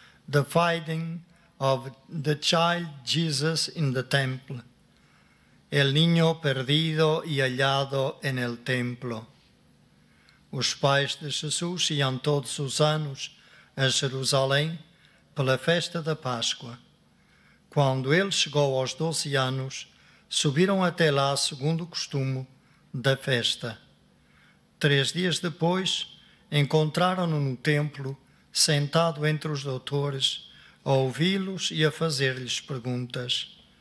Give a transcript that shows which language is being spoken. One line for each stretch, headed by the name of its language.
English: The finding of the child Jesus in the temple.
Spanish: El niño perdido y hallado en el templo.
Portuguese: Os pais de Jesus iam todos os anos a Jerusalém pela festa da Páscoa. Quando ele chegou aos 12 anos, subiram até lá, segundo o costume, da festa. 3 dias depois, encontraram-no no templo, sentado entre os doutores, a ouvi-los e a fazer-lhes perguntas.